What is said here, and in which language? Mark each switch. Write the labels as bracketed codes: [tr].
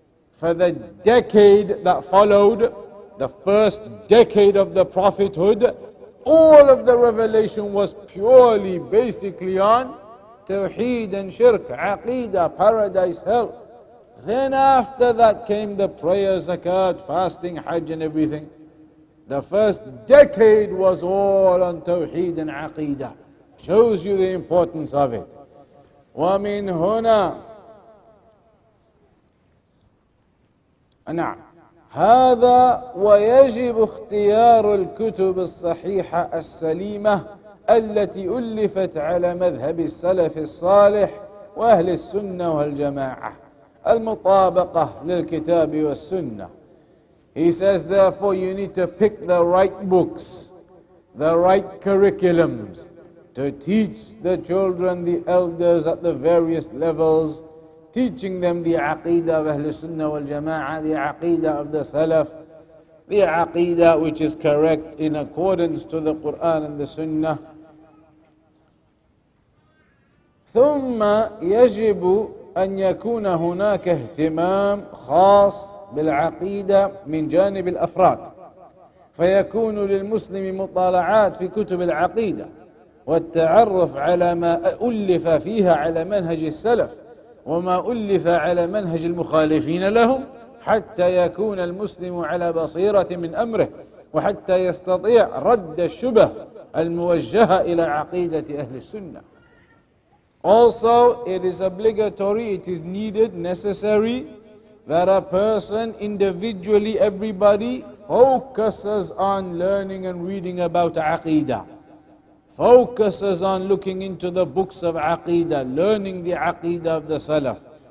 [en] For the decade that followed, the first decade of the prophethood, all of the revelation was purely, basically on Tawheed and Shirk, Aqeedah, Paradise, Hell. Then after that came the prayer, zakat, fasting, hajj and everything. The first decade was all on Tawheed and Aqeedah. Shows you the importance of it. [ar] وَمِنْ هُنَا نعم هذا ويجب اختيار الكتب الصحيحة السليمة التي ألفت على مذهب السلف الصالح وأهل السنة والجماعة المطابقة للكتاب والسنة. [en] He says, therefore, you need to pick the right books, the right curriculums to teach the children, the elders at the various levels, teaching them the aqeedah of Ahl Sunnah wal Jama'ah, the aqeedah of the Salaf, the aqeedah which is correct in accordance to the Quran and the Sunnah. [ar] ثُمَّ يَجِبُ أَن يَكُونَ هُنَاكَ اهْتِمَام خاص بالعقيدة من جانب الأفراد فيكون للمسلم مطالعات في كتب العقيدة والتعرف على ما ألف فيها على منهج السلف وما ألف على منهج المخالفين لهم حتى يكون المسلم على بصيرة من أمره وحتى يستطيع رد الشبه الموجهة إلى عقيدة أهل السنة. [en] Also, it is obligatory, it is needed, necessary that a person individually, everybody, focuses on learning and reading about aqeedah. Focuses on looking into the books of aqeedah, learning the aqeedah of the Salaf.